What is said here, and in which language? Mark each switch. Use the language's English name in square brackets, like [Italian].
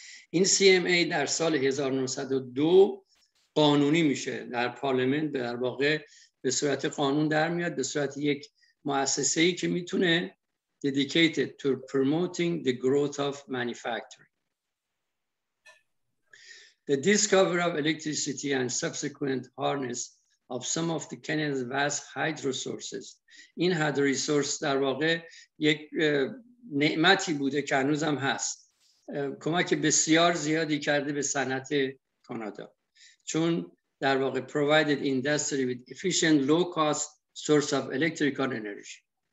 [Persian] این CMA در سال 1902 قانونی میشه در پارلمنت، در واقع به صورت قانون در میاد به صورت یک مؤسسه‌ای که میتونه [English] dedicated to promoting the growth of manufacturing. The discovery of electricity and subsequent harness of some of the Canada's vast hydro sources. [Persian] این هایدرو ریسورس در واقع یک نعمتی بوده که هنوز هم هست، کمک بسیار زیادی کرده به صنعت کانادا چون در واقع [English] provided industry with efficient low cost source of electrical energy.